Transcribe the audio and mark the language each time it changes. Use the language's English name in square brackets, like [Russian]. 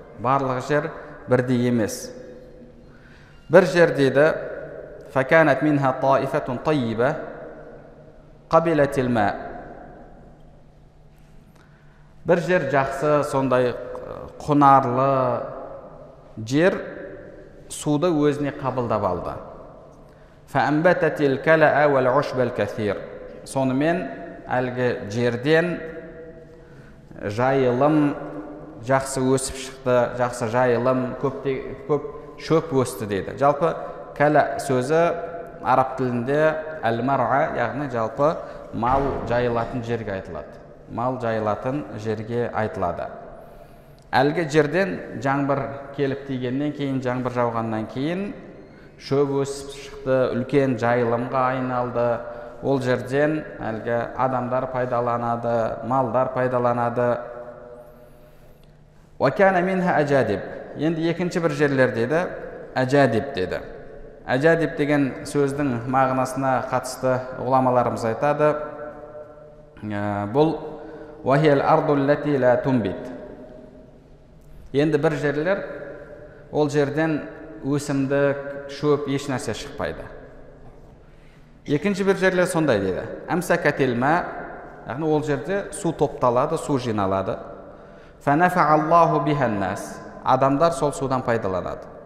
[Kazakh] Барлық жер бірдей емес. Бір жер дейді: [Arabic] факанат минха таифатун тайиба қабилатил ма. [Kazakh] Бір жер жақсы, сондай құнарлы жер суды өзіне қабылдап алды. [Arabic] فأنبتت الكلاء والعشب الكثير. [Kazakh] Сонымен әлгі жерден жайылым жақсы өсіп шықты, жақсы жайылым, көп шөп өсті дейді. Жалпы кәлә сөзі араб тілінде әлмар'а, яғни жалпы мал жайылатын жерге айтылады. Мал жайылатын жерге айтылады. Әлгі жерден жаңбыр келіп тигеннен кейін, жаңбыр жауғаннан кейін шөп өсіп шықты, үлкен жайылымға айналды. Ол жерден әлгі адамдар пайдаланады, малдар пайдаланады. [Arabic] وَكَانَ مِنْهَ أَجَادِبْ. [Kazakh] Енді екінші бір жерлер деді, әжәдіп деді. Әжәдіп деген сөздің мағынасына қатысты ғұламаларымыз айтады. Бұл [Arabic] وَهِيَ الْأَرْضُ الَّتِي لَا تُنْبِتْ. [Kazakh] Енді бір жерлер, ол жерден өсімдік, шөп еш нәрсе шықпайды. Екінші бір жерлер сондай деді. [Arabic] أَمْسَكَتِ الْمَا. [Kazakh] Яғни ол жерде су топталады, су жиналады. [Arabic] فَنَفَعَ اللَّهُ بِهَا النَّاسِ. [Kazakh] Адамдар сол судан пайдаланады.